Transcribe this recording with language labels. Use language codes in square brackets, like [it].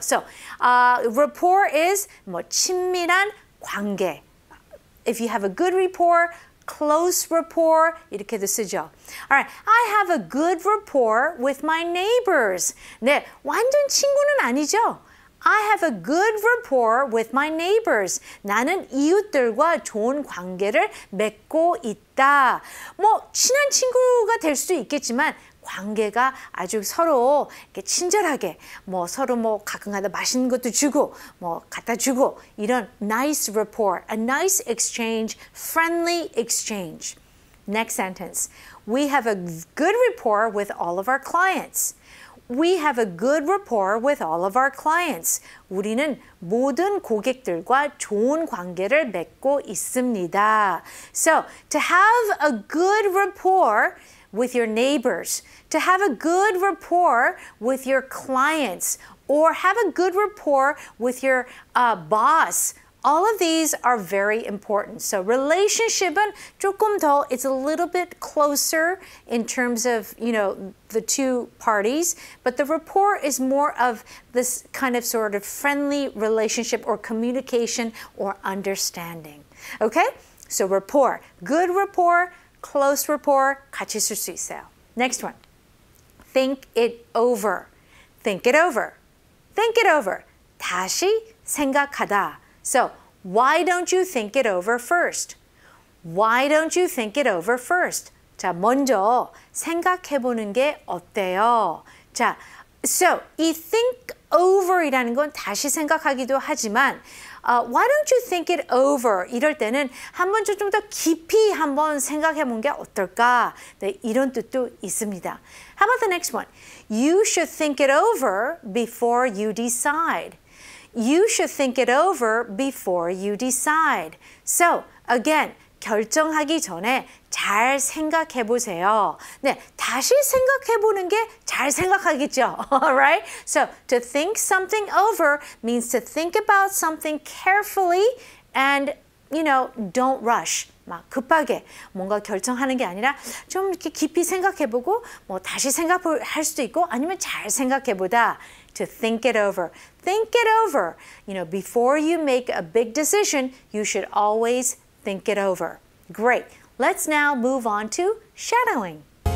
[en] So, rapport is [ko] 뭐 친밀한 관계. [en] If you have a good rapport, close rapport, [ko] 이렇게도 쓰죠. [en] Alright, I have a good rapport with my neighbors. [ko] 네, 완전 친구는 아니죠. [en] I have a good rapport with my neighbors. [ko] 나는 이웃들과 좋은 관계를 맺고 있다. 뭐 친한 친구가 될 수도 있겠지만 관계가 아주 서로 이렇게 친절하게 뭐 서로 뭐 가끔가다 맛있는 것도 주고 뭐 갖다 주고 이런 [en] nice rapport, a nice exchange, friendly exchange. Next sentence. We have a good rapport with all of our clients. We have a good rapport with all of our clients. [ko] 우리는 모든 고객들과 좋은 관계를 맺고 있습니다. [en] So, to have a good rapport with your neighbors, to have a good rapport with your clients, or have a good rapport with your boss, all of these are very important. So, relationship은 [ko] 조금 더, [en] it's a little bit closer in terms of, you know, the two parties. But the rapport is more of this kind of sort of friendly relationship or communication or understanding. Okay? So, rapport. Good rapport, close rapport, [ko] 같이 쓸 수 있어요. [en] Next one. Think it over. Think it over. Think it over. [ko] 다시 생각하다. [en] So, why don't you think it over first? Why don't you think it over first? [ko] 자, 먼저 생각해보는 게 어때요? [en] 자, so, 이 think over이라는 건 [ko] 다시 생각하기도 하지만 [en] why don't you think it over? [ko] 이럴 때는 한번 좀 더 깊이 한번 생각해본 게 어떨까? 네, 이런 뜻도 있습니다. [en] How about the next one? You should think it over before you decide. You should think it over before you decide. So, again, [ko] 결정하기 전에 잘 생각해 보세요. 네, 다시 생각해 보는 게 잘 생각하겠죠. [en] All right? So, to think something over means to think about something carefully and, you know, don't rush. [ko] 막 급하게 뭔가 결정하는 게 아니라 좀 이렇게 깊이 생각해 보고 뭐 다시 생각할 수도 있고 아니면 잘 생각해 보다. [en] To think it over. Think it over. You know, before you make a big decision, you should always think it over. Great. Let's now move on to shadowing.